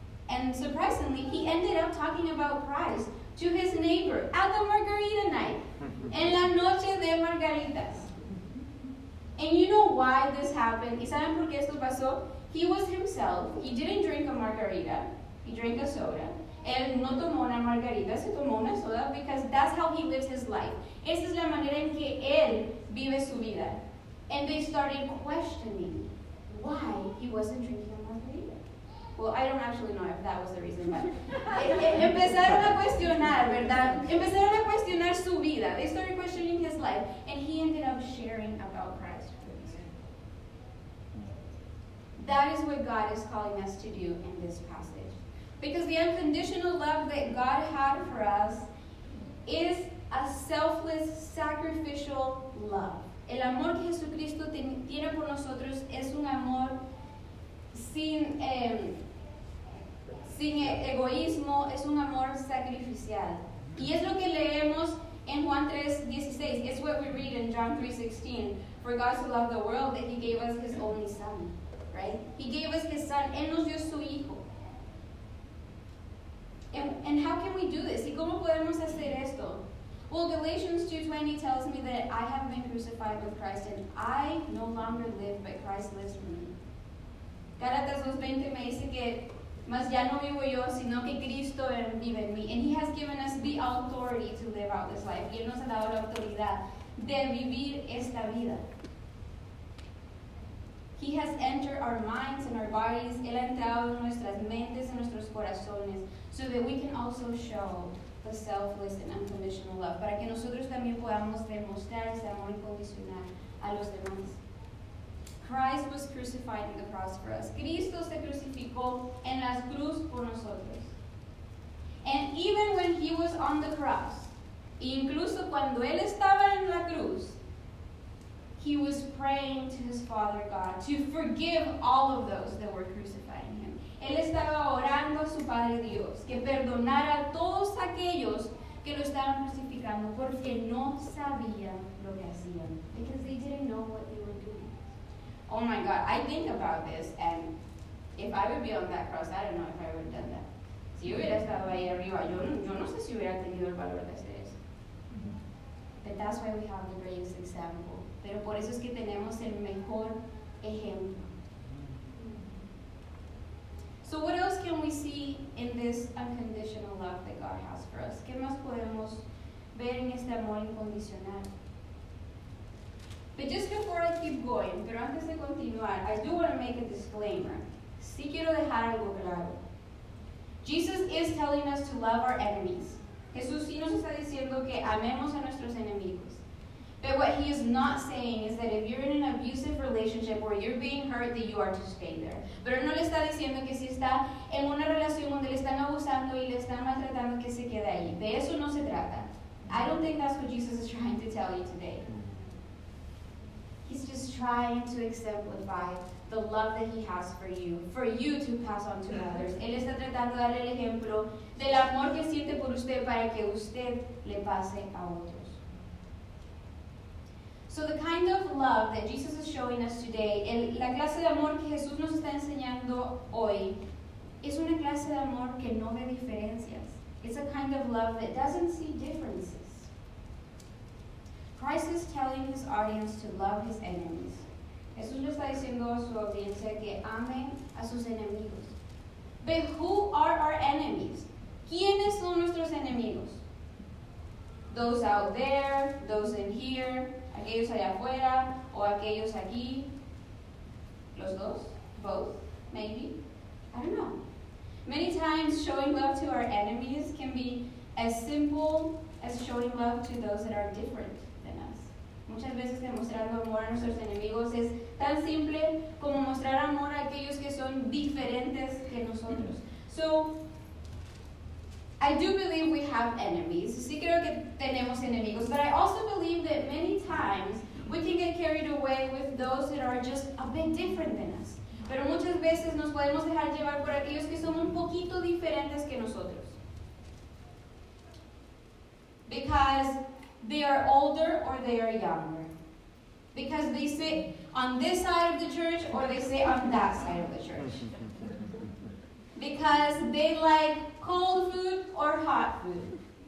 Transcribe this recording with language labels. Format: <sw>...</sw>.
<en>And surprisingly, he ended up talking about Christ to his neighbor at the margarita night.</en> <es>En la noche de margaritas.</es> <en>And you know why this happened?</en> <es>¿Y saben por qué esto pasó?</es> <en>He was himself. He didn't drink a margarita. He drank a soda.</en> <es>Él no tomó una margarita, se tomó una soda,</es> <en>because that's how he lives his life.</en> <es>Esa es la manera en que él vive su vida.</es> <en>And they started questioning why he wasn't drinking a margarita. Well, I don't actually know if that was the reason, but</en> <es>empezaron a cuestionar, ¿verdad? Empezaron a cuestionar su vida.</es> <en>They started questioning his life, and he ended up sharing about Christ. That is what God is calling us to do in this passage. Because the unconditional love that God had for us is a selfless, sacrificial love.</en> <es>El amor que Jesucristo tiene por nosotros es un amor sin egoísmo, es un amor sacrificial. Y es lo que leemos en Juan 3:16.</es> <en>It's what we read in John 3:16. For God so loved the world that he gave us his only son, right? He gave us his son.</en> <es>Él nos dio su hijo.</es> <en>And how can we do this?</en> <es>¿Y cómo podemos hacer esto?</es> <en>Well, Galatians 2:20 tells me that I have been crucified with Christ and I no longer live, but Christ lives in me.</en> <es>Galatas 2:20 me dice que más ya no vivo yo, sino que Cristo vive en mí.</es> <en>And he has given us the authority to live out this life.</en> <es>Y él nos ha dado la autoridad de vivir esta vida.</es> <en>He has entered our minds and our bodies.</en> <es>Él ha entrado en nuestras mentes y nuestros corazones.</es> <en>So that we can also show the selfless and unconditional love.</en> <es>Para que nosotros también podamos demostrar ese amor incondicional a los demás.</es> <en>Christ was crucified in the cross for us.</en> <es>Cristo se crucificó en la cruz por nosotros.</es> <en>And even when he was on the cross,</en> <es>incluso cuando él estaba en la cruz,</es> <en>he was praying to his Father God to forgive all of those that were crucifying him.</en> <es>Él estaba orando a su Padre Dios que perdonara a todos aquellos que lo estaban crucificando porque no sabían lo que hacían.</es> <en>Because they didn't know what they were doing. Oh my God, I think about this and if I would be on that cross, I don't know if I would have done that.</en> <es>Si hubiera estado ahí arriba, yo no sé si hubiera tenido el valor de hacer eso.</es> <en>But that's why we have the greatest example.</en> <es>Pero por eso es que tenemos el mejor ejemplo.</es> <en>So what else can we see in this unconditional love that God has for us?</en> <es>¿Qué más podemos ver en este amor incondicional?</es> <en>But just before I keep going,</en> <es>pero antes de continuar,</es> <en>I do want to make a disclaimer.</en> <es>Sí quiero dejar algo claro.</es> <en>Jesus is telling us to love our enemies.</en> <es>Jesús sí nos está diciendo que amemos a nuestros enemigos.</es> <en>But what he is not saying is that if you're in an abusive relationship where you're being hurt, that you are to stay there.</en> <es>Pero no le está diciendo que si está en una relación donde le están abusando y le están maltratando, que se quede ahí. De eso no se trata.</es> <en>I don't think that's what Jesus is trying to tell you today. He's just trying to exemplify the love that he has for you to pass on to others.</en> <es>Él está tratando de dar el ejemplo del amor que siente por usted para que usted le pase a otros.</es> <en>So the kind of love that Jesus is showing us today,</en> <es>la clase de amor que Jesús nos está enseñando hoy, es una clase de amor que no ve diferencias.</es> <en>It's a kind of love that doesn't see differences. Christ is telling his audience to love his enemies.</en> <es>Jesús le está diciendo a su audiencia que ame a sus enemigos.</es> <en>But who are our enemies?</en> <es>¿Quiénes son nuestros enemigos?</es> <en>Those out there, those in here,</en> <es>aquellos allá afuera, o aquellos aquí. Los dos?</es> <en>Both? Maybe? I don't know. Many times showing love to our enemies can be as simple as showing love to those that are different.</en> <es>Muchas veces demostrando amor a nuestros enemigos es tan simple como mostrar amor a aquellos que son diferentes que nosotros.</es> <en>So, I do believe we have enemies.</en> <es>Sí creo que tenemos enemigos.</es> <en>But I also believe that many times we can get carried away with those that are just a bit different than us.</en> <es>Pero muchas veces nos podemos dejar llevar por aquellos que son un poquito diferentes que nosotros.</es> <en>Because they are older or they are younger. Because they sit on this side of the church or they sit on that side of the church. Because they like cold food or hot food.</en>